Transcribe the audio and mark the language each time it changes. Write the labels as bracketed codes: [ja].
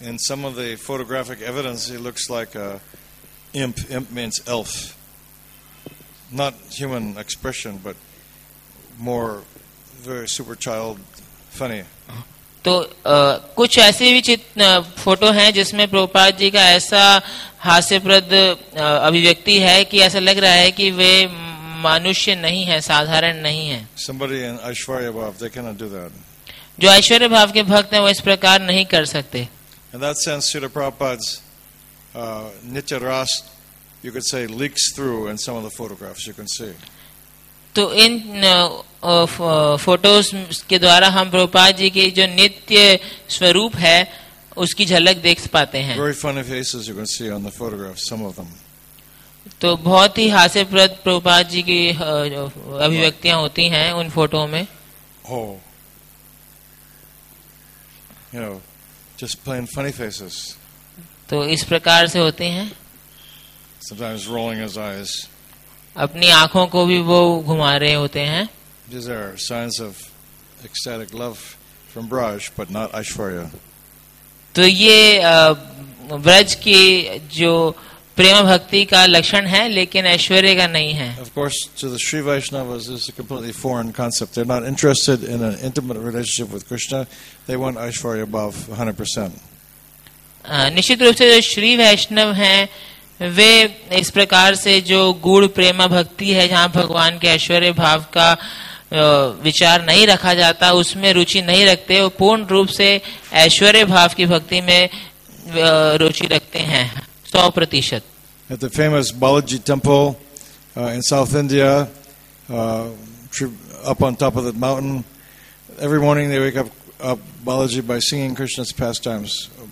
[en] In some of the photographic evidence, he looks like a imp. Imp means elf. Not human expression, but more very super child funny. [hi] तो कुछ ऐसे भी photo हैं जिसमें प्रभुपाद जी का ऐसा हास्यप्रद अभिव्यक्ति है कि ऐसा लग रहा है कि वे मनुष्य नहीं है, साधारण नहीं है. [en] Somebody in Aishwarya Bhav, they cannot do that. [hi] जो ऐश्वर्य भाव के भक्त हैं वो इस प्रकार नहीं कर सकते. [en] In that sense, Srila Prabhupada's nitya ras, you could say, leaks through in some of the photographs you can see. [hi] तो इन फोटोज के द्वारा हम प्रभुपाद जी के जो नित्य स्वरूप है उसकी झलक देख पाते हैं. [en] Very funny faces you can see on the photographs, some of them. [hi] तो बहुत ही हास्यप्रद प्रभुपाद जी की अभिव्यक्तियां होती हैं उन फोटो में. Oh. [en] You know, just plain funny faces. [hi] तो इस प्रकार से होते हैं. [en] Sometimes rolling his eyes. [hi] अपनी आंखों को भी वो घुमा रहे होते हैं. [en] These are signs of ecstatic love from Braj, but not Aishwarya. [hi] तो ये ब्रज की जो प्रेम भक्ति का लक्षण है लेकिन ऐश्वर्य का नहीं है. [en] Of course, to the Sri Vaishnavas, this is a completely foreign concept. They're not interested in an intimate relationship with Krishna. They want Aishwarya above 100%. [hi] निश्चित रूप से जो श्री वैष्णव है वे इस प्रकार से जो गूढ़ प्रेम भक्ति है जहाँ भगवान के ऐश्वर्य भाव का विचार नहीं रखा जाता उसमें रुचि नहीं रखते वो पूर्ण रूप से ऐश्वर्य भाव की भक्ति में रुचि रखते हैं 100%. [en] At the famous Balaji temple in South India, up on top of the mountain, every morning they wake up Balaji by singing Krishna's pastimes.